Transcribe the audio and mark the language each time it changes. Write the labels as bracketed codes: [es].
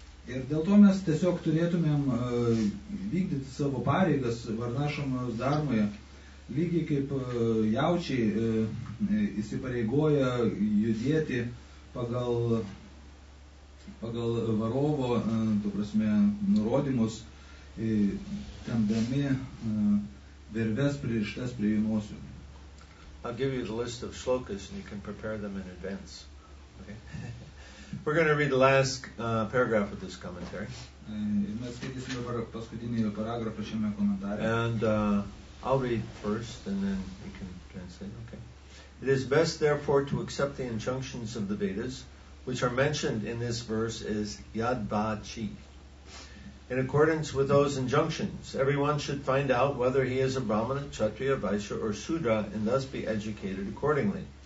[lt] Ir dėl to mes tiesiog turėtumėm vykdyti savo pareigas Varnašamos darmoje, lygiai kaip jaučiai įsipareigoja judėti pagal varovo, tu prasme, nurodymus, tempdami virves pririštas prie jūnosių. [en] I'll give you the list of shlokas and you can prepare them in advance. Okay. We're going to read the last paragraph of this commentary. [lt] Mes skaitysime dabar paskutinį paragrafą šiame komentare. [en] And I'll read first and then you can translate. Okay. It is best, therefore, to accept the injunctions of the Vedas, which are mentioned in this verse as Yad Ba Chi. In accordance with those injunctions, everyone should find out whether he is a Brahmana, Kshatriya, Vaishya, or Sudra, and thus be educated accordingly.